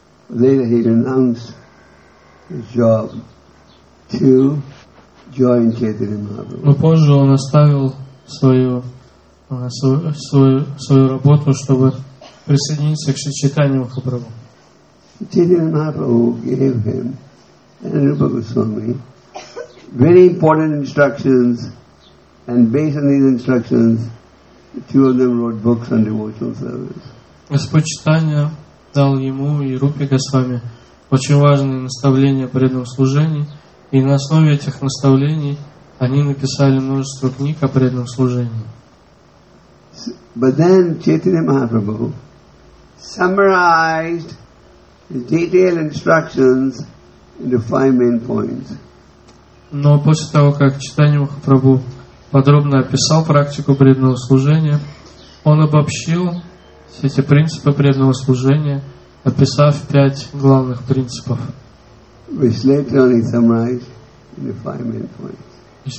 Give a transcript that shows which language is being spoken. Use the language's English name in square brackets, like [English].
[English] Later he renounced his job to join Chaitanya Mahaprabhu. [Russian] Но позже он оставил свою работу, чтобы присоединиться к Шри Чайтанья Махапрабху. [English] Chaitanya Mahaprabhu gave him and Rupa Goswami very important instructions, and based on these instructions, the two of them wrote books on devotional service. [Russian] Господь Чайтанья дал ему и Рупе Госвами очень важные наставления о преданном служении, и на основе этих наставлений они написали множество книг о преданном служении. [English] But then Chaitanya Mahaprabhu summarized his detailed instructions into five main points. [Russian] Но после того, как Чайтанья Махапрабху подробно описал практику преданного служения, он обобщил все эти принципы преданного служения, описав пять главных принципов. Из